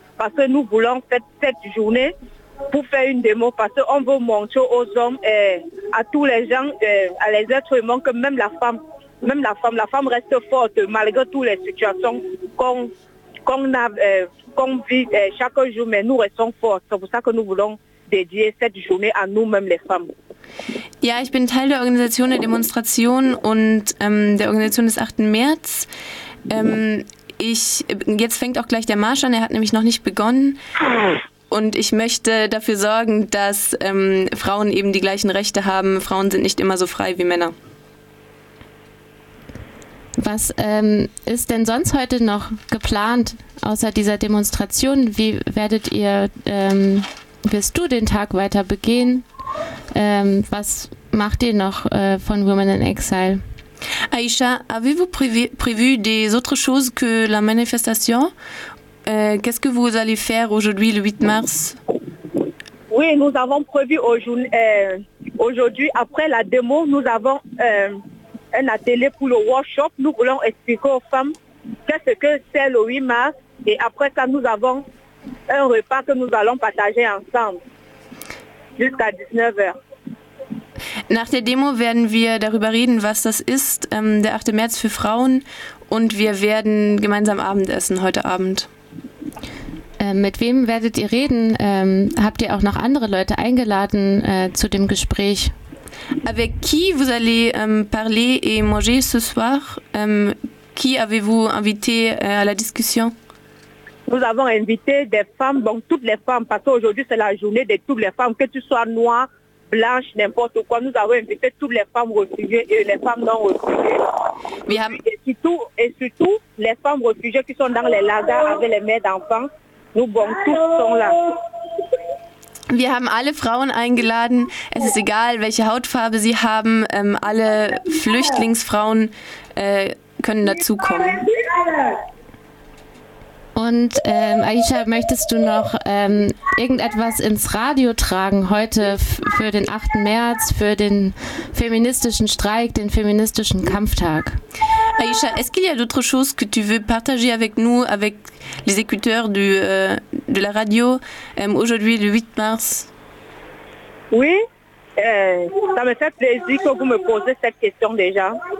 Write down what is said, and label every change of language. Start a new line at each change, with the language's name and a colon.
French: Parce que nous voulons faire cette journée pour faire une démo, parce qu'on veut montrer aux hommes, à tous les gens, à les êtres humains, que même la femme reste forte malgré toutes les situations qu'on vit chaque jour, mais nous restons fortes. C'est pour ça que nous voulons dédier cette journée à nous-mêmes les femmes.
German: Ja, ich bin Teil der Organisation der Demonstration und der Organisation des 8. März. Jetzt fängt auch gleich der Marsch an, er hat nämlich noch nicht begonnen. Und ich möchte dafür sorgen, dass Frauen eben die gleichen Rechte haben. Frauen sind nicht immer so frei wie Männer. Was ist denn sonst heute noch geplant, außer dieser Demonstration? Wie werdet ihr, wirst du den Tag weiter begehen? Was macht ihr noch von Women in Exile?
French: Aïcha, avez-vous prévu des autres choses que la manifestation? Qu'est-ce que vous allez faire aujourd'hui, le 8 mars? Oui, nous avons prévu aujourd'hui, après la démo, nous avons un atelier pour le workshop. Nous voulons expliquer aux femmes qu'est-ce que c'est le 8 mars. Et après ça, nous avons un repas que nous allons partager ensemble jusqu'à 19h.
German: Nach der Demo werden wir darüber reden, was das ist, der 8. März für Frauen, und wir werden gemeinsam Abendessen heute Abend. Mit wem werdet ihr reden? Habt ihr auch noch andere Leute eingeladen zu dem Gespräch?
French: Avec qui vous allez parler et manger ce soir? Qui avez-vous invité à la discussion? Nous avons invité des femmes, donc toutes les femmes, parce qu'aujourd'hui c'est la journée de toutes les femmes, que tu sois noire, blanche, n'importe quoi. Nous avons invité toutes les femmes réfugiées et les femmes non réfugiées. Et surtout, les femmes réfugiées qui sont dans les lagers avec les mères d'enfants, tous sont là.
German: Wir haben alle Frauen eingeladen. Es ist egal, welche Hautfarbe sie haben. Alle Flüchtlingsfrauen können dazukommen. Und Aïcha, möchtest du noch irgendetwas ins Radio tragen heute für den 8. März, für den feministischen Streik, den feministischen Kampftag?
French: Aïcha, est-ce qu'il y a d'autres choses que tu veux partager avec nous, avec les écouteurs de la radio, aujourd'hui le 8 mars? Oui, ça me fait plaisir que vous me posez cette question déjà.